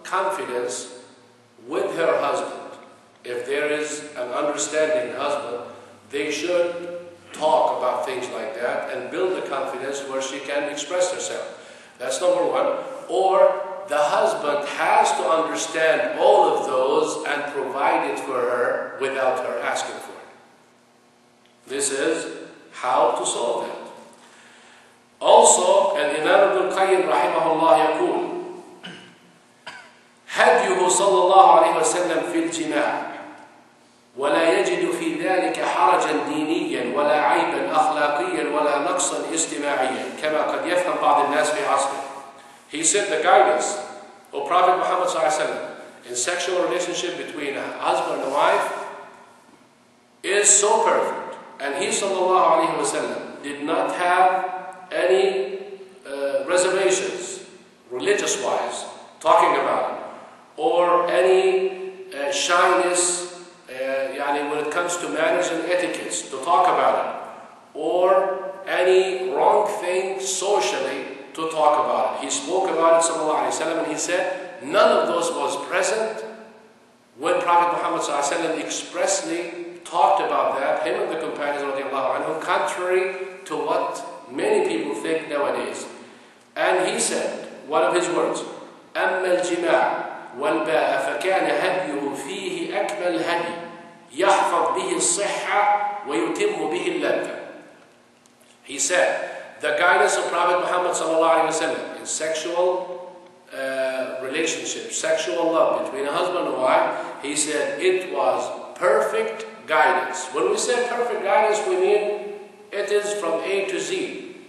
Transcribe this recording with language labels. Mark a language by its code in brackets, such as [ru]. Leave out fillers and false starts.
[en] confidence with her husband. If there is an understanding husband, they should talk about things like that and build the confidence where she can express herself. That's number one. Or the husband has to understand all of those and provide it for her without her asking for it. This is how to solve that. Also, Imam Ibn Qayyim rahimahullah yaqul, [ar] هديه صلى الله عليه وسلم في الجماع ولا يجد في ذلك حرجا دينيا ولا عيبا أخلاقيا ولا نقصا استماعيا كما قد يفهم بعض الناس في عصره. [en] He said the guidance of Prophet Muhammad sallallahu alaihi wasallam in sexual relationship between a husband and wife is so perfect, and he sallallahu alaihi wasallam did not have any reservations religious wise talking about it, or any shyness yani when it comes to manners and etiquettes to talk about it, or any wrong thing socially to talk about it. He spoke about it, sallallahu alayhi wa sallam, and he said none of those was present when Prophet Muhammad sallallahu alayhi wa sallam expressly talked about that, him and the companions radiallahu anhu, contrary to what many people think nowadays. And he said, one of his words, [ar] أَمَّا الْجِمَاعُ وَالْبَاءَ فَكَانَ هَدْيُهُ فِيهِ أَكْمَلْ هَدْيِ يَحْفَظْ بِهِ الصِّحَّةِ وَيُتِمُّ بِهِ اللَّذَّةِ. [en] He said, the guidance of Prophet Muhammad sallallahu alaihi wasallam in sexual relationship, sexual love between a husband and wife, he said it was perfect guidance. When we say perfect guidance, we mean it is from A to Z.